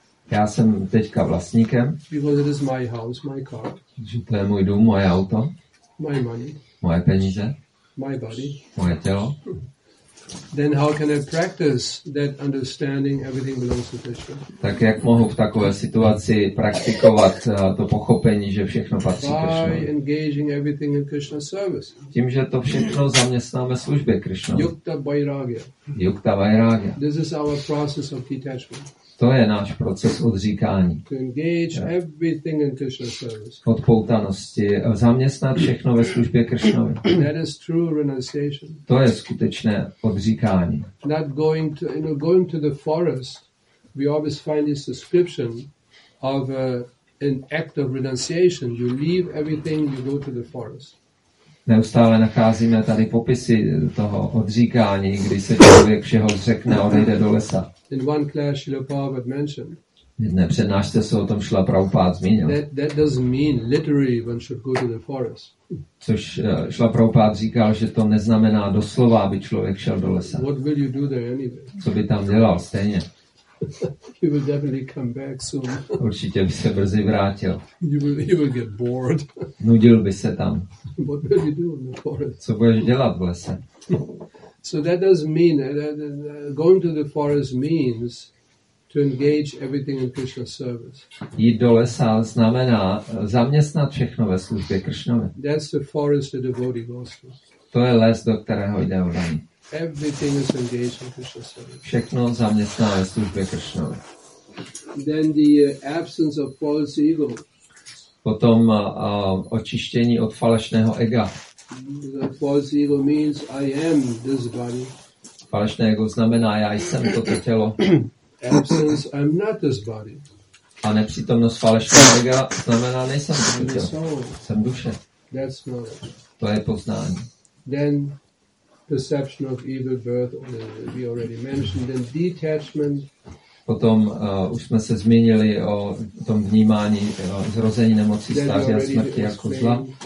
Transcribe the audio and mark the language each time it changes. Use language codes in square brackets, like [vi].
[cs] Já jsem teďka vlastníkem. [en] Because it is my house, my car. [cs] Že to je můj dům, moje auto. [en] My money. [cs] Moje peníze. [en] My body. [cs] Moje tělo. [en] Then how can I practice that understanding everything belongs to Krishna? [cs] Tak jak mohu v takové situaci praktikovat to pochopení, že všechno patří Krishna? [en] By engaging everything in Krishna's service. [cs] Tím, že to všechno zaměstnáme službě Krishna. [sa] Yukta vairagya. Yukta vairagya. [en] This is our process of detachment. [cs] To je náš proces odříkání. [en] To engage everything in Krishna's service. [cs] Odpoutanosti, zaměstnat všechno ve službě Krishnovi. [en] That is true renunciation. [cs] To je skutečné odříkání. [en] Not going to, you know, going to the forest, we always find this description of an act of renunciation. You leave everything, you go to the forest. [cs] Neustále nacházíme tady popisy toho odříkání, kdy se člověk všeho zřekne a odejde do lesa. [en] In one class, Srila Prabhupada mentioned. [cs] Jedné přednášce se o tom Srila Prabhupada zmínil. [en] That doesn't mean literally one should go to the forest. [cs] Což Srila Prabhupada říkal, že to neznamená doslova, aby člověk šel do lesa. [en] What will you do there anyway? [cs] Co by tam dělal stejně? [en] You will definitely come back soon. [cs] Určitě by se brzy vrátil. [en] You will get bored. [cs] Nudil by se tam. [en] What will you do in the forest? [cs] Co budeš dělat v lese? [en] So that does mean that going to the forest means to engage everything in Krishna service. [cs] Jít do lesa znamená zaměstnat všechno ve službě Kršnovi. [en] That's the forest of devotee goes to. [cs] To je les, do kterého jde Vrani. [en] Everything is engaged in Krishna service. [cs] Všechno zaměstná ve službě Kršnovi. [en] Then the absence of false ego. [cs] Potom očištění od falešného ega. [en] False ego means I am this body. [cs] Falešné ego znamená já jsem toto tělo. [en] Absence I'm not this body. [cs] A nepřítomnost falešného ega znamená nejsem toto tělo. Jsem duše. [en] That's knowledge. [cs] To je poznání. [en] Then perception of evil birth we already mentioned. Then detachment. [cs] Potom už jsme se zmínili o tom vnímání zrození nemocí, stáří a smrti jako zla.